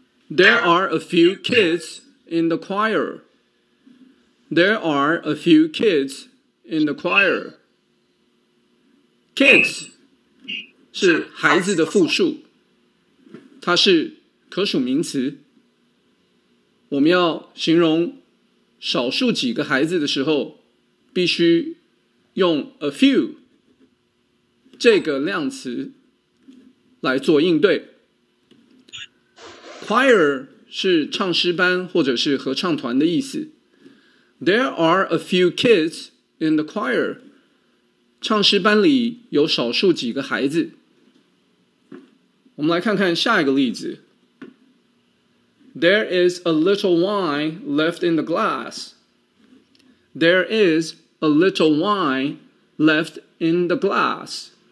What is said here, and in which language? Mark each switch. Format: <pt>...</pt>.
<en>There are a few kids in the choir， There are a few kids in the choirKids</en> <zh>是孩子的复数，它是可数名词。我们要形容少数几个孩子的时候，必须用 a few 这个量词来做应对。 Choir 是唱诗班或者是合唱团的意思。</zh> <en>There are a few kids in the choir.</en> <zh>唱诗班里有少数几个孩子。我们来看看下一个例子。</zh> <en>There is a little wine left in the glass. There is a little wine left in the glass.</en>